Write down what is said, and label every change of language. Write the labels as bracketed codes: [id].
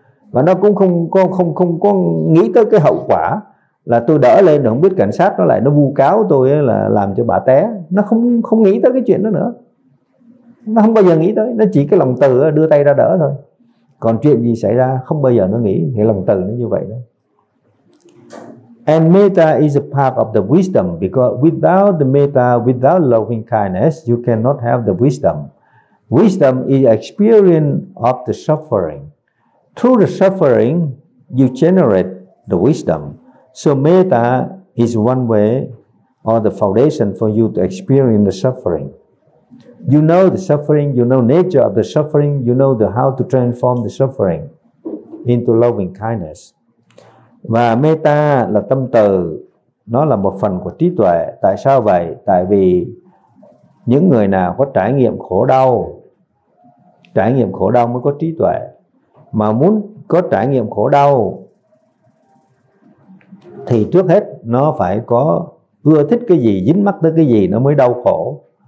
[vi] Và nó cũng không có nghĩ tới cái hậu quả là tôi đỡ lên rồi không biết cảnh sát nó lại nó vu cáo tôi là làm cho bà té. Nó không nghĩ tới cái chuyện đó nữa. Nó không bao giờ nghĩ tới. Nó chỉ cái lòng từ đưa tay ra đỡ thôi. Còn chuyện gì xảy ra không bao giờ nó nghĩ. Cái lòng từ nó như vậy đó. [en] And metta is a part of the wisdom, because without the metta, without loving kindness, you cannot have the wisdom. Wisdom is experience of the suffering. Through the suffering, you generate the wisdom. So metta is one way or the foundation for you to experience the suffering. You know the suffering, you know nature of the suffering, you know the how to transform the suffering into loving kindness. [vi] Và metta là tâm từ, nó là một phần của trí tuệ. Tại sao vậy? Tại vì những người nào có trải nghiệm khổ đau, trải nghiệm khổ đau mới có trí tuệ. Mà muốn có trải nghiệm khổ đau thì trước hết nó phải có ưa thích cái gì, dính mắc tới cái gì nó mới đau khổ.